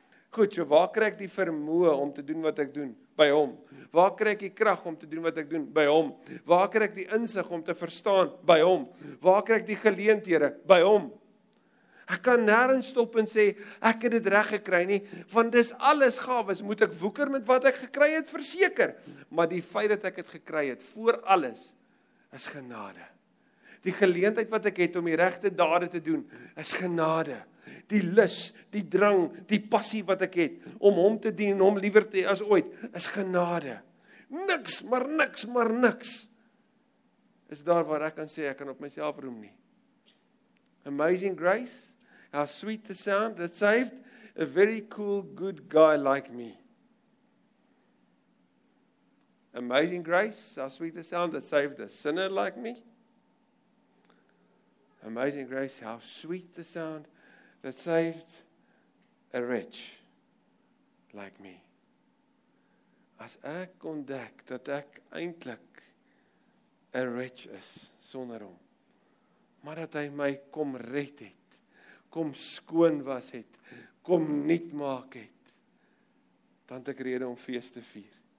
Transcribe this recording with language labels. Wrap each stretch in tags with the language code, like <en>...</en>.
<af>Goed, so waar kry ek die vermoë om te doen wat ek doen? By hom. Waar kry ek die krag om te doen wat ek doen? By hom. Waar kry ek die insig om te verstaan? By hom. Waar kry ek die geleenthede? By hom. Ek kan nêrens stop en sê, ek het dit reg gekry nie, want dis alles gawes. Moet ek woeker met wat ek gekry het? Verseker. Maar die feit dat ek het gekry het, voor alles, is genade. Die geleentheid wat ek het om die regte dade te doen, is genade. Die lus, die drang, die passie wat ek het, om hom te dien en hom liewer te as ooit, is genade. Niks, maar niks, maar niks, is daar waar ek kan sê, ek kan op myself roem nie.</af> <en>Amazing grace, how sweet the sound that saved a very cool, good guy like me. Amazing grace, how sweet the sound that saved a sinner like me. Amazing grace, how sweet the sound that saved a wretch like me.</en> <af>As ek ontdek dat ek eintlik 'n wretch is sonder hom, maar dat hy my kom red het, kom skoon was het, kom nuut maak het, dan het ek rede om fees te vier.</af>